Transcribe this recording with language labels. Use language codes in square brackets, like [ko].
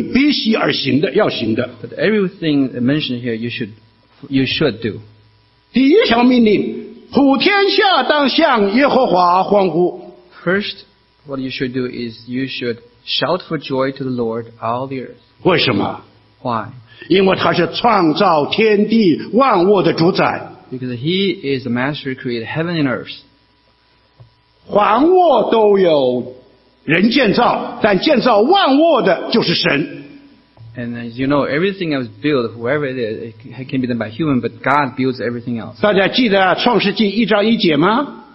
[zh] 或是每一条命令当中都是你必须而行的,要行的。 [en] But everything mentioned here, you should do. [zh] 第1条命令, 普天下当向耶和华欢呼。 [en] First, what you should do is you should shout for joy to the Lord all the earth. [zh] 为什么? [en] Why? [zh] 因为他是创造天地万物的主宰。 [en] Because he is the master who created heaven and earth. [zh] 房屋都有人建造, 但建造万物的就是神。 [en] And as you know, everything that was built, whoever it is, it can be done by human, but God builds everything else. [zh] 大家记得创世纪1章1节吗?